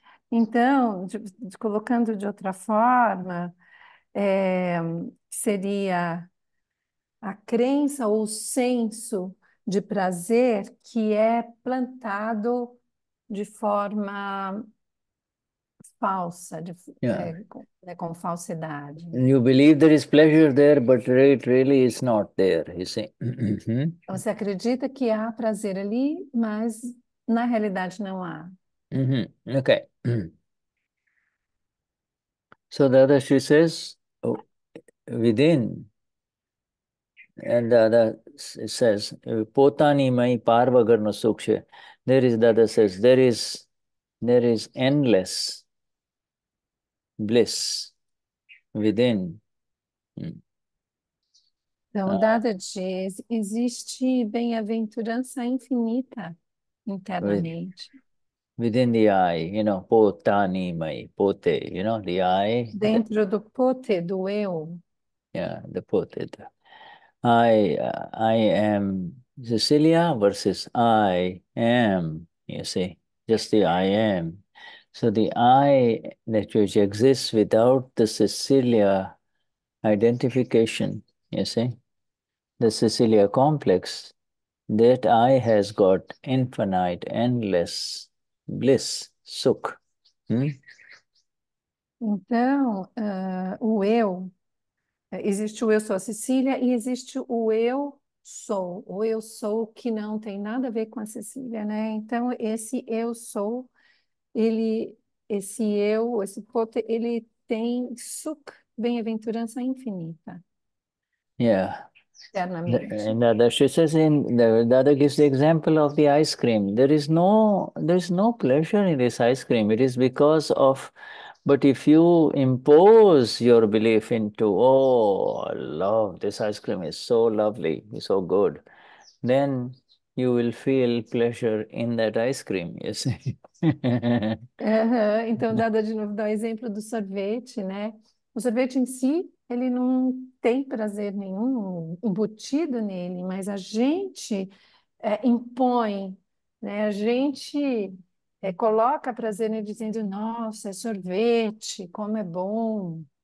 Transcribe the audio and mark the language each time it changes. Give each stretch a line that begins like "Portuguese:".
Portuguese: Então, colocando de outra forma, seria a crença ou o senso de prazer que é plantado de forma falsa, com falsidade.
English: You believe there is pleasure there, but it really is not there, you see.
Portuguese: Você acredita que há prazer ali, mas na realidade não há.
English: Okay. So Dadashri says, within, and Dada says,
Gujarati: Potani mai parvagarna sukshe.
English: There is, Dada says, there is endless bliss within.
Portuguese: Então, Dada diz, existe bem-aventurança infinita internamente.
English: Within the eye, you know, potani mai, pote, you know, the eye.
Portuguese: Dentro do pote, do eu.
English: Yeah, the pote. I am Cecilia versus I am, you see, just the I am. So the I that which exists without the Cecilia identification, you see, the Cecilia complex, that I has got infinite, endless bliss, sukh.
Portuguese: Então, o eu, existe o eu sou a Cecília e existe o eu sou que não tem nada a ver com a Cecília, né? Então, esse eu sou, ele, esse eu, esse pote, ele tem sukh, bem-aventurança infinita.
English: Yeah.
Portuguese: Eternamente.
English: And she says in Dada gives the example of the ice cream. There is no pleasure in this ice cream. It is because of, but if you impose your belief into, oh, I love this ice cream, it's so lovely, it's so good, then you will feel pleasure in that ice cream, you see.
Portuguese: Então, Dada de novo dá o exemplo do sorvete, né? O sorvete em si, ele não tem prazer nenhum embutido nele, mas a gente impõe, né? A gente coloca prazer nele dizendo, nossa, é sorvete, como é bom.